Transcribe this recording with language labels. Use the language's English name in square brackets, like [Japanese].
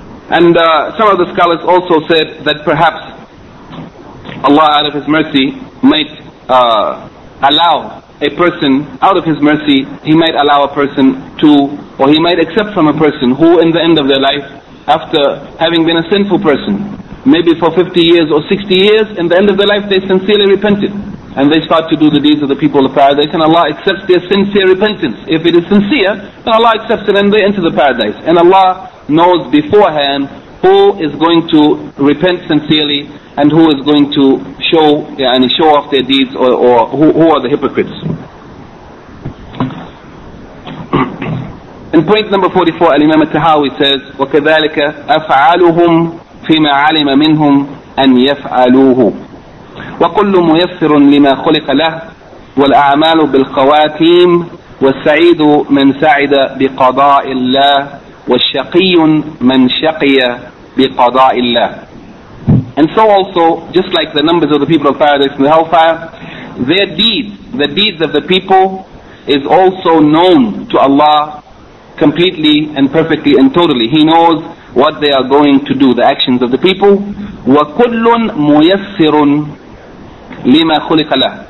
[English] And some of the scholars also said that perhaps Allah, out of His mercy, might allow a person, out of His mercy, He might allow a person to, or He might accept from a person who in the end of their life, after having been a sinful person, maybe for 50 years or 60 years, in the end of their life they sincerely repented, and they start to do the deeds of the people of paradise, and Allah accepts their sincere repentance. If it is sincere, then Allah accepts it and they enter the paradise. And Allah knows beforehand who is going to repent sincerely and who is going to show, yani show off their deeds, or who are the hypocrites. In point number 44, Al-Imam al-Tahawi says, [Arabic] وَكَذَلِكَ أَفْعَالُهُمْ فِيمَا عَلِمَ مِنْهُمْ أَنْ يَفْعَلُوهُ وَكُلُّ مُيَسِّرٌ لِمَا خُلِقَ لَهُ وَالْأَعْمَالُ بِالْخَوَاتِيمِ وَالسَّعِيدُ مَنْ سَعِدَ بِقَضَاءِ اللَّهِ وَالشَّقِيُّ مَنْ شَقِيَ بِقَضَاءِ اللَّهِ. [English] And so also, just like the numbers of the people of Paradise and the Hellfire, their deeds, the deeds of the people, is also known to Allah completely and perfectly and totally. He knows what they are going to do, the actions of the people. [Arabic] وَكُلٌّ مُيَسِّرٌ لِمَا خُلِقَ لَهُ.